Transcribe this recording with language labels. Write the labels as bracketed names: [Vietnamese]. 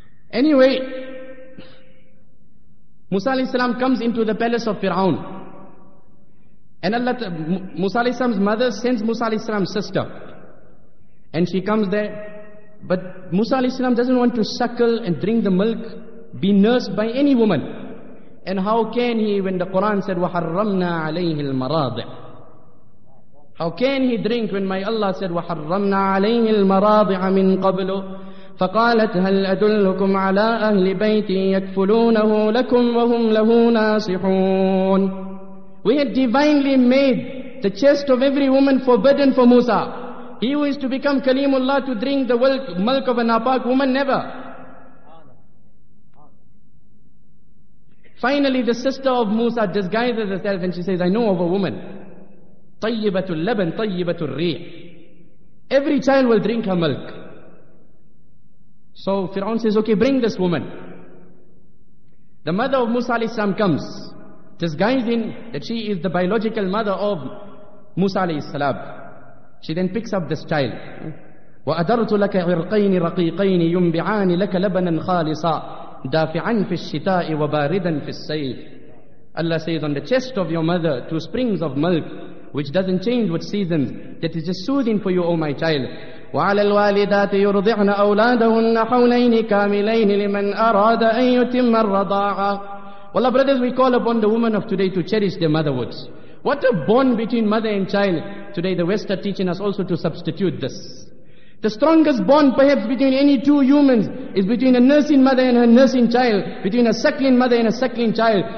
[English] Anyway, Musa alayhi salam comes into the palace of Fir'aun. And Allah, Musa alayhi salam's mother sends Musa alayhi salam's sister. And she comes there. But Musa alayhi salam doesn't want to suckle and drink the milk, be nursed by any woman. And how can he, when the Quran said, [Arabic] وَحَرَّمْنَا عَلَيْهِ الْمَرَاضِعِ, [English] how can he drink when my Allah said, [Arabic] وَحَرَّمْنَا عَلَيْهِ الْمَرَاضِعَ مِنْ قَبْلُ, فَقَالَتْ هَلْ أَدُلُّكُمْ عَلَىٰ أَهْلِ بَيْتِي يَكْفُلُونَهُ لَكُمْ وَهُمْ لَهُ نَاصِحُونَ. [English] We had divinely made the chest of every woman forbidden for Musa. He who is to become Kalimullah to drink the milk of a napak woman, never. Finally, the sister of Musa disguises herself and she says, I know of a woman. [Arabic] طَيِّبَةُ اللَّبَنْ طَيِّبَةُ الرِّيْحِ. [English] Every child will drink her milk. So Fir'aun says, okay, bring this woman. The mother of Musa alayhi salam comes, disguising that she is the biological mother of Musa alayhi salam. She then picks up this child. [Arabic] وَأَدَرْتُ لَكَ عِرْقَيْنِ رَقِيقَيْنِ يُنْبِعَانِ لَكَ لَبَنًا خَالِصًا دَافِعًا فِي الشِّتَاءِ وَبَارِدًا فِي السَّيْفِ. [English] Allah says, on the chest of your mother, two springs of milk, which doesn't change with seasons, that is just soothing for you, O my child. [Arabic] وعلى الوالدات يرضعن أولادهن حولين كاملين لمن أراد أن يتم الرضاعة. [English] Well, our brothers, we call upon the women of today to cherish their motherhoods. What a bond between mother and child. Today the West are teaching us also to substitute this. The strongest bond perhaps between any two humans is between a nursing mother and her nursing child, between a suckling mother and a suckling child.